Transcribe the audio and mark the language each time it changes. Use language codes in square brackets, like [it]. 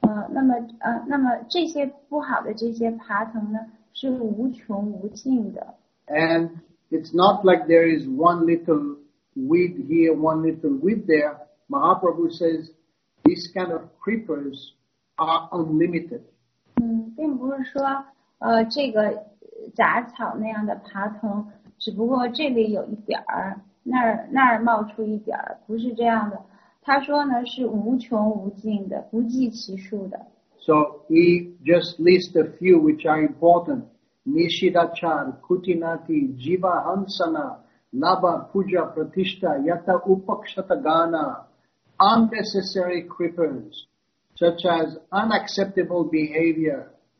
[zh] 那么这些不好的这些爬藤呢，是无穷无尽的。 [en] And it's not like there is one little weed here, one little weed there. Mahaprabhu says these kind of creepers are unlimited. [zh] 并不是说这个杂草那样的爬藤。只不过这里有一点儿，那儿冒出一点儿，不是这样的。他说呢，是无穷无尽的，不计其数的。 [en] So he just lists a few which are important: Nishidachar, Kutinati, Jiva Hansana, Labha, Puja, Pratishta, Yata Upakshata Gana, unnecessary creepers, such as unacceptable behavior.